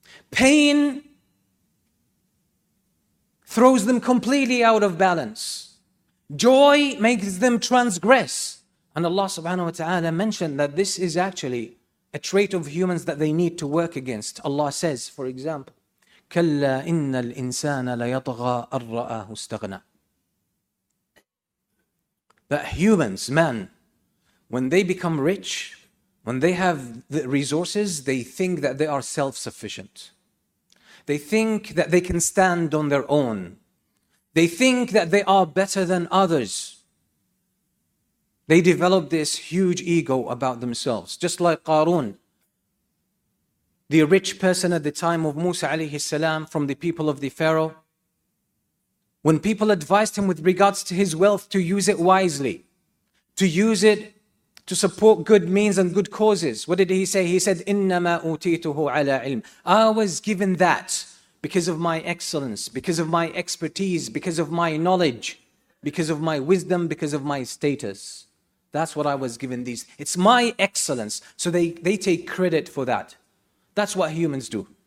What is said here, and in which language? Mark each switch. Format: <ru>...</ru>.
<en>Pain throws them completely out of balance. Joy makes them transgress. And Allah subhanahu wa ta'ala mentioned that this is actually a trait of humans that they need to work against. Allah says, for example,</en> <ar>كَلَّا إِنَّ الْإِنسَانَ لَيَطْغَى أَنْ رَآهُ اسْتَغْنَى.</ar> <en>That humans, men, when they become rich, when they have the resources, they think that they are self-sufficient. They think that they can stand on their own. They think that they are better than others. They develop this huge ego about themselves. Just like Qarun, the rich person at the time of Musa alayhi salam from the people of the Pharaoh, when people advised him with regards to his wealth to use it wisely, to use it to support good means and good causes, what did he say? He said,</en> <ar>إِنَّمَا أُوتِيتُهُ عَلَى عِلْمٍ.</ar> <en>I was given that because of my excellence, because of my expertise, because of my knowledge, because of my wisdom, because of my status. That's what I was given these. It's my excellence. So they take credit for that. That's what humans do.</en>